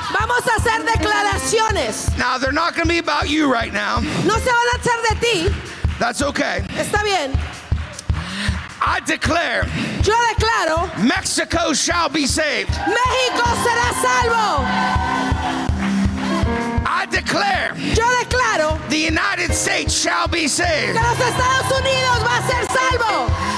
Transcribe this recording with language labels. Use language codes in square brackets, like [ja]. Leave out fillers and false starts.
[es] Vamos a hacer declaraciones. [en] Now, they're not going to be about you right now. [es] No se van a hacer de ti. [en] That's okay. [es] Está bien. [en] I declare, [es] yo declaro, [en] Mexico shall be saved. [es] México será salvo. [en] I declare, [es] yo declaro, [en] the United States shall be saved. [es] Que los Estados Unidos va a ser salvo.